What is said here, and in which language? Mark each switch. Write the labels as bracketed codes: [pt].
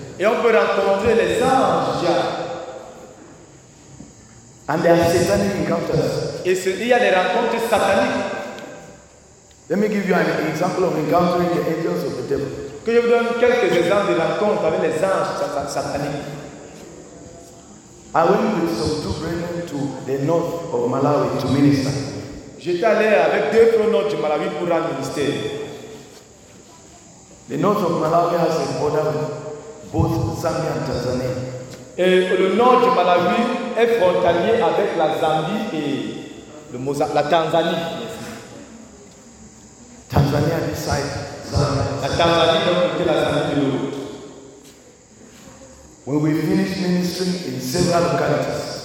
[fr] Et on peut rencontrer les anges du diable. [en] And there are satanic encounters. [fr] Il y a des rencontres sataniques. [en] Let me give you an example of encountering the angels of the devil. [fr] Que je vous donne quelques exemples de rencontres avec les anges sataniques. [en] I went with some two brethren to the north of Malawi to minister. [fr] J'étais allé avec deux frères du Malawi pour un ministère. [en] The north of Malawi has a border with both Zambia and Tanzania. [fr] Et le nord du Malawi est frontalier avec la Zambie et le la Tanzanie. Tanzanie a dit ça. La Tanzanie a quitté la Zambie de l'autre. [en] When we finish ministering in several localities,